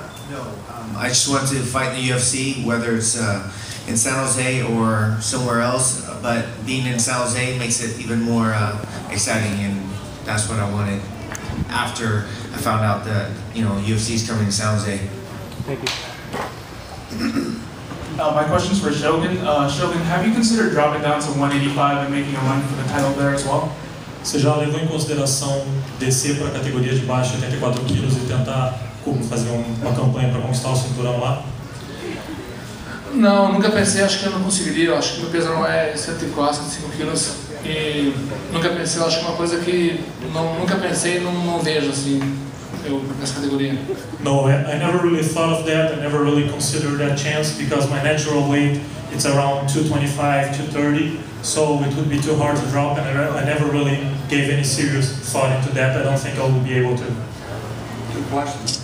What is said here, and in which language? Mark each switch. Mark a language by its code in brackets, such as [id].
[en] No, I just want to fight in the UFC, whether it's in San Jose or somewhere else, but being in San Jose makes it even more exciting, and that's what I wanted after I found out that, you know, UFC is coming to San Jose. Thank you. My question is for Shogun. Shogun, have you considered dropping down to 185 and making a run for the title there as well? [pt] Você já levou em consideração descer para a categoria de baixo 84 quilos e tentar como fazer uma campanha para conquistar o cinturão lá? Não, nunca pensei, acho que eu não conseguiria, acho que meu peso não é 74, 75 quilos. E nunca pensei, acho que é uma coisa que não, nunca pensei e não vejo assim eu nessa categoria. [en] No, I never really thought of that, I never really considered that chance, because my natural weight it's around 225, 230. So it would be too hard to drop, and I never really gave any serious thought into that. I don't think I would be able to. Good question.